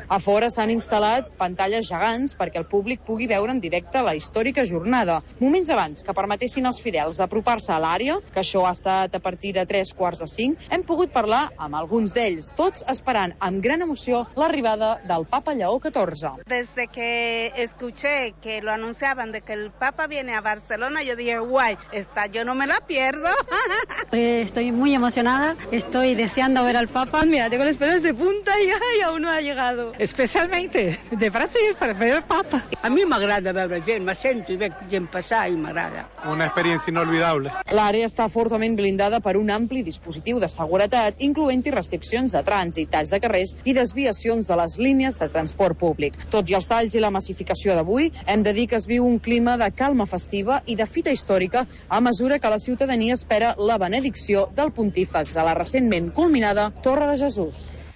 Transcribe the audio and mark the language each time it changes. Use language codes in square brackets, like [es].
[ca] A fora s'han instal·lat pantalles gegants perquè el públic pugui veure en directe la històrica jornada. Moments abans que permetessin als fidels apropar-se a l'àrea, que això ha estat a partir de 4:45, hem pogut parlar amb alguns d'ells, tots esperant amb gran emoció l'arribada del Papa Lleó XIV. [es] Des de que escuché que lo anunciaban de que el Papa viene a Barcelona, yo dije, guay, esta yo no me la pierdo. Estoy muy emocionada, estoy deseando ver al Papa. Mira, tengo los pelos de punta y aún no ha llegado. Especialmente de Brasil, para ver al Papa. A mí me agrada ver gente, me siento y ver gente pasar y [ca] m'agrada. [es] Una experiència inolvidable. [ca] L'àrea està fortament blindada per un ampli dispositiu de seguretat, incloent-hi restriccions de trànsit, talls de carrers i desviacions de les línies de transport públic. Tot i els talls i la massificació d'avui, hem de dir que es viu un clima de calma festiva i de fita històrica a mesura que la ciutadania espera la benedicció del pontífex a la recentment culminada Torre de Jesús.